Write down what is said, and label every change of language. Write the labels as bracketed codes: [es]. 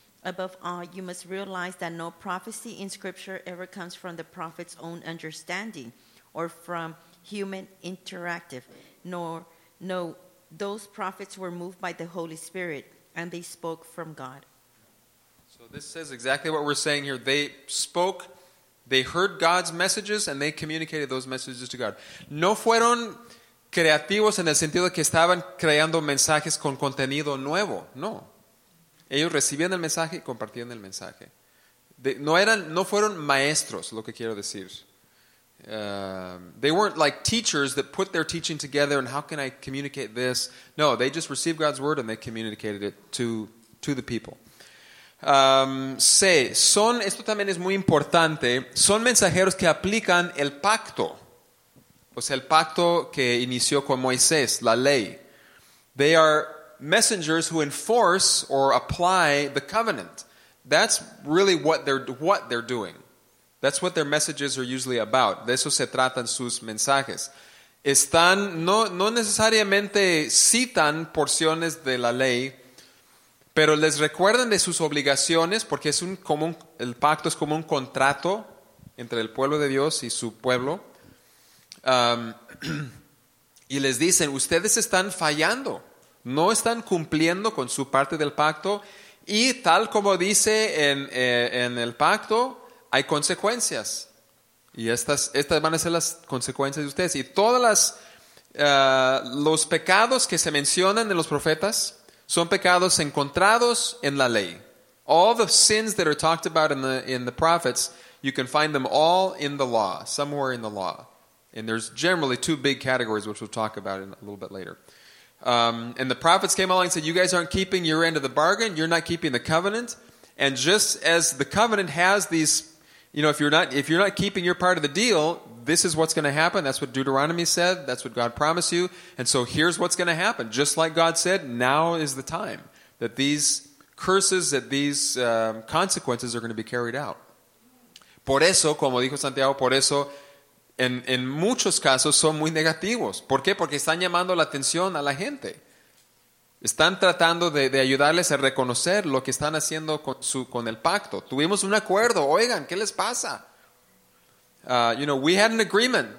[en] Above all, you must realize that no prophecy in Scripture ever comes from the prophet's own understanding or from human interactive, nor those prophets were moved by the Holy Spirit and they spoke from God. So this says exactly what we're saying here. They spoke, they heard God's messages and they communicated those messages to God. [es] No fueron creativos en el sentido de que estaban creando mensajes con contenido nuevo. No. Ellos recibían el mensaje y compartían el mensaje. No fueron maestros, lo que quiero decir. [en] They weren't like teachers that put their teaching together and how can I communicate this? No, they just received God's word and they communicated it to the people. [es] Esto también es muy importante, son mensajeros que aplican el pacto, o sea, el pacto que inició con Moisés, la ley. [en] They are messengers who enforce or apply the covenant. That's really what they're doing. That's what their messages are usually about. [es] De eso se tratan sus mensajes. Están, no necesariamente citan porciones de la ley, pero les recuerdan de sus obligaciones, porque es el pacto es como un contrato entre el pueblo de Dios y su pueblo. Y les dicen, ustedes están fallando, no están cumpliendo con su parte del pacto, y tal como dice en el pacto, hay consecuencias. Y estas van a ser las consecuencias de ustedes. Y todas las los pecados que se mencionan en los profetas son pecados encontrados en la ley. [en] All the sins that are talked about in the prophets, you can find them all in the law, somewhere in the law. And there's generally two big categories, which we'll talk about in a little bit later. And the prophets came along and said, you guys aren't keeping your end of the bargain. You're not keeping the covenant. And just as the covenant has these, you know, if you're not keeping your part of the deal, this is what's going to happen. That's what Deuteronomy said. That's what God promised you. And so here's what's going to happen. Just like God said, now is the time that these curses, that these consequences are going to be carried out. [es] Por eso, como dijo Santiago, por eso, en muchos casos son muy negativos. ¿Por qué? Porque están llamando la atención a la gente. Están tratando de ayudarles a reconocer lo que están haciendo con el pacto. Tuvimos un acuerdo. Oigan, ¿qué les pasa? [en] You know, we had an agreement.